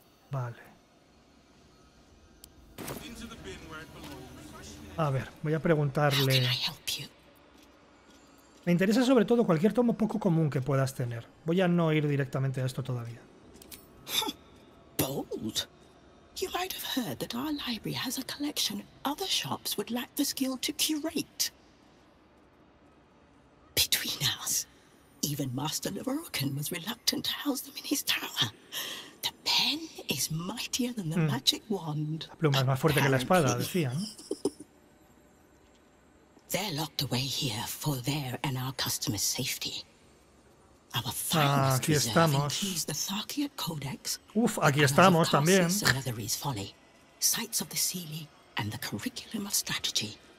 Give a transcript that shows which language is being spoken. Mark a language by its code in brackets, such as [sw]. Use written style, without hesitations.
[es] Vale. A ver, voy a preguntarle... Me interesa sobre todo cualquier tomo poco común que puedas tener. Voy a no ir directamente a esto todavía. [en] Bold. You might have heard that our library has a collection other shops would lack the skill to curate. Between us, even Master Leverokin was reluctant to house them in his tower. The pen is mightier than the magic wand. [es] La pluma es más fuerte que la espada, decían. [en] They're locked away here for their and our customers' safety. Our finest reserve includes the Tharkiot Codex. [es] Uf, aquí estamos también. [en] Sotheri's Folly, Sights of the Seelie, and the Curriculum of Strategy.